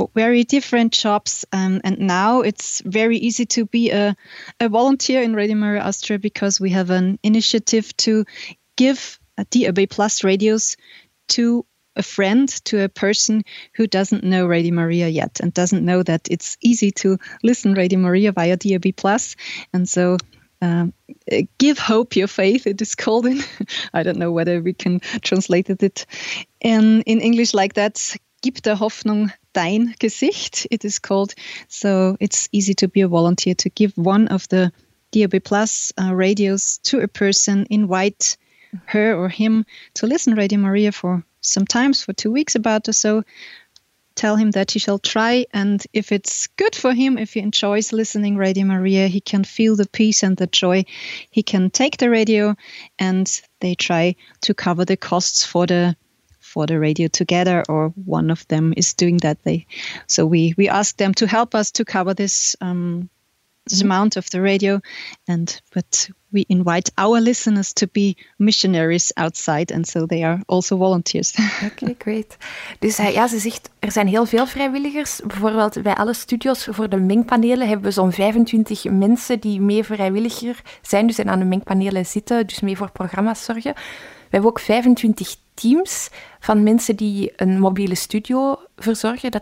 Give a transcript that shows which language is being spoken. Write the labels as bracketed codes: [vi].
[en] Very different jobs. And now it's very easy to be a volunteer in Radio Maria Austria because we have an initiative to give DAB Plus radios to a friend, to a person who doesn't know Radio Maria yet and doesn't know that it's easy to listen Radio Maria via DAB Plus. And so give hope your faith, it is called in. I don't know whether we can translate it in English like that. [de] Gib der Hoffnung dein Gesicht, [en] it is called. So it's easy to be a volunteer, to give one of the DAB Plus radios to a person, invite her or him to listen Radio Maria for sometimes for 2 weeks about or so, tell him that he shall try, and if it's good for him, if he enjoys listening Radio Maria, he can feel the peace and the joy, he can take the radio and they try to cover the costs for the radio together, or one of them is doing that. So we ask them to help us to cover this this amount of the radio, but we invite our listeners to be missionaries outside, and so they are also volunteers. Okay, great. [nl] Dus ja, ze zegt, er zijn heel veel vrijwilligers. Bijvoorbeeld bij alle studios voor de mengpanelen hebben we zo'n 25 mensen die mee vrijwilliger zijn, dus en aan de mengpanelen zitten, dus mee voor programma's zorgen. We hebben ook 25 teams van mensen die een mobiele studio verzorgen.